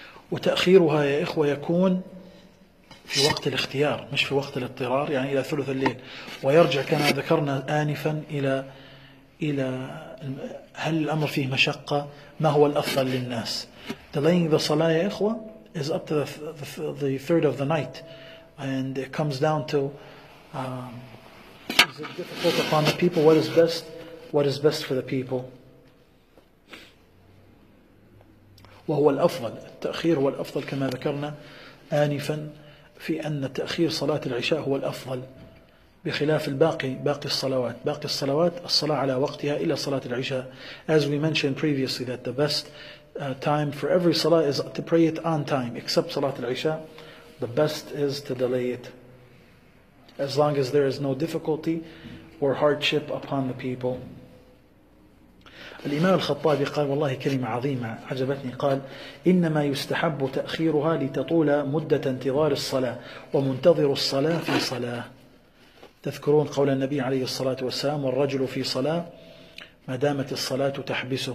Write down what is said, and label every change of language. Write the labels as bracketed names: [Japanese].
[Arabic] وتأخيرها يا إخوة يكون في وقت الاختيار مش في وقت الاضطرار يعني إلى ثلث الليل ويرجع كما ذكرنا آنفا إلى هل الأمر فيه مشقة ما هو الأفضل للناس. [English] Delaying the salah [Arabic] يا إخوة [English] is up to the third of the night and it comes down to is it difficult upon the people what is best for the people. [Arabic] وهو الأفضل. التأخير هو الأفضل كما ذكرنا آنفا في أن تأخير صلاة العشاء هو الأفضل بخلاف الباقي باقي الصلوات. باقي الصلوات الصلاة على وقتها إلى صلاة العشاء. [English] As we mentioned previously that the best time for every salah is to pray it on time except salat al-isha. The best is to delay it as long as there is no difficulty or hardship upon the people. [Arabic] الإمام الخطابي قال والله كلمة عظيمة عجبتني. قال إنما يستحب تأخيرها لتطول مدة انتظار الصلاة ومنتظر الصلاة في صلاة. تذكرون قول النبي عليه الصلاة والسلام والرجل في صلاة ما دامت الصلاة تحبسه.